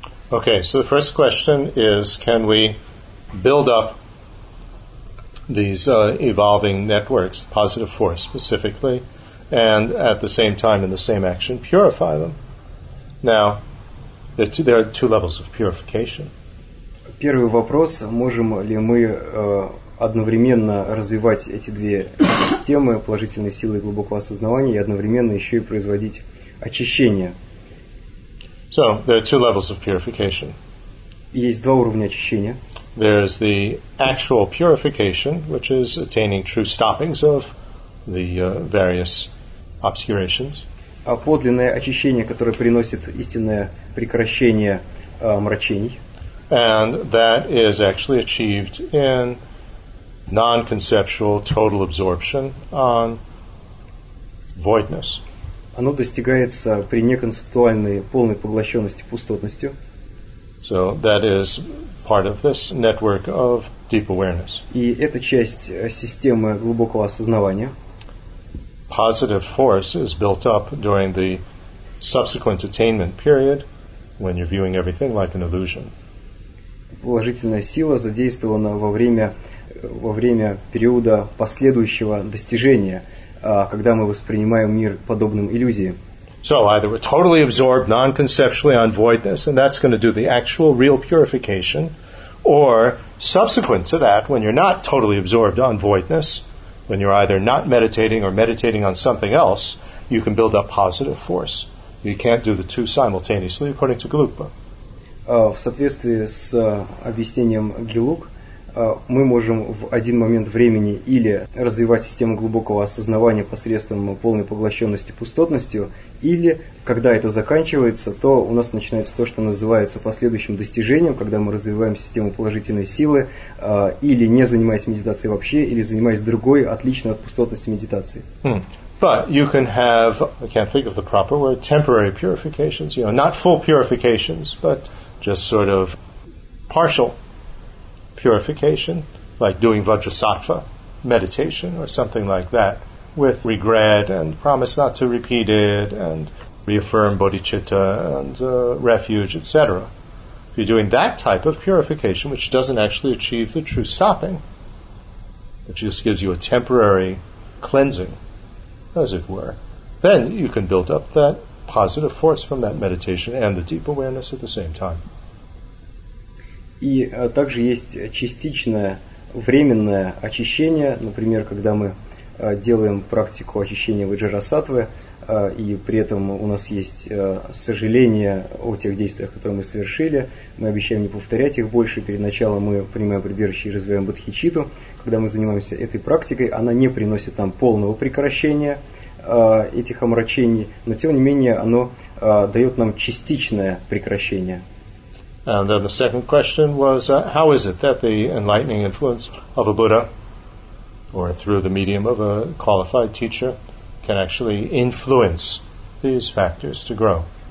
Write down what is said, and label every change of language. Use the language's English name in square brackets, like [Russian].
[English] Okay, so the first question is, can we build up these evolving networks, positive force specifically, and at the same time, in the same action, purify them? Now, there are two levels of purification. [Russian] Первый вопрос, можем ли мы одновременно развивать эти две системы, положительные силы и глубокого осознавания, и одновременно еще и производить очищение? [English] So, there are two levels of purification. [Russian] Есть два уровня очищения. [English] There is the actual purification, which is attaining true stoppings of the various obscurations. [Russian] А подлинное очищение, которое приносит истинное прекращение мрачений. [English] And that is actually achieved in non-conceptual total absorption on voidness. [Russian] Оно достигается при неконцептуальной полной поглощенности пустотностью. [English] So that is part of this network of deep awareness. [Russian] И это часть системы глубокого осознавания. [English] Positive force is built up during the subsequent attainment period when you're viewing everything like an illusion. [Russian] Положительная сила задействована во время периода последующего достижения, когда мы воспринимаем мир подобным иллюзии. [English] So either we're totally absorbed non-conceptually on voidness, and that's going to do the actual real purification, or subsequent to that, when you're not totally absorbed on voidness, when you're either not meditating or meditating on something else, you can build up positive force. You can't do the two simultaneously, according to Gelugpa. [Russian] В соответствии с объяснением Гелуг, мы можем в один момент времени или развивать систему глубокого осознавания посредством полной поглощенности пустотностью, или, когда это заканчивается, то у нас начинается то, что называется последующим достижением, когда мы развиваем систему положительной силы, или не занимаясь медитацией вообще, или занимаясь другой, отличной от пустотности медитации. [English] But you can have, I can't think of the proper word, temporary purifications, you know, not full purifications, but just sort of partial purification, like doing vajrasattva meditation or something like that, with regret and promise not to repeat it and reaffirm bodhicitta and refuge, etc. If you're doing that type of purification, which doesn't actually achieve the true stopping, it just gives you a temporary cleansing, as it were, then you can build up that positive force from that meditation and the deep awareness at the same time. [Russian] И также есть частичное временное очищение, например, когда мы делаем практику очищения ваджрасаттвы, и при этом у нас есть сожаление о тех действиях, которые мы совершили, мы обещаем не повторять их больше, перед началом мы принимаем прибежище и развиваем бодхичитту. Когда мы занимаемся этой практикой, она не приносит нам полного прекращения этих омрачений, но тем не менее оно дает нам частичное прекращение. [English] And then the second question was, how is it that the enlightening influence of a Buddha, or through the medium of a qualified teacher, can actually influence these factors to grow?